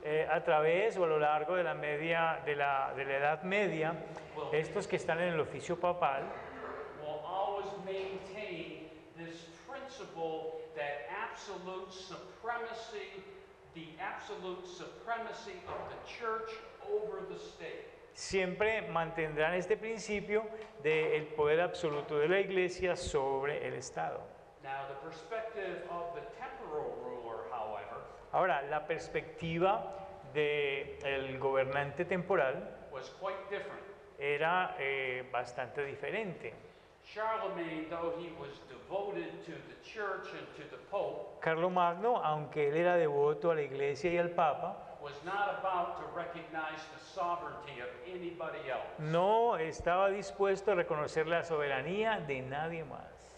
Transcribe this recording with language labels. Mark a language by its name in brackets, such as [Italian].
[Spanish] A través o a lo largo de la media de la Edad Media, estos que están en el oficio papal [English] will always maintain this principle that absolute supremacy, the absolute supremacy of the church over the state. [Spanish] Siempre mantendrán este principio del poder absoluto de la iglesia sobre el Estado. [English] Now, the perspective of the temporal ruler, however, [Spanish] ahora, la perspectiva del gobernante temporal [English] was quite different. [Spanish] Era bastante diferente. [English] Charlemagne, though he was devoted to the church and to the Pope, [Spanish] Carlomagno, aunque él era devoto a la iglesia y al Papa, [English] was not about to recognize the sovereignty of anybody else. [Spanish] No estaba dispuesto a reconocer la soberanía de nadie más.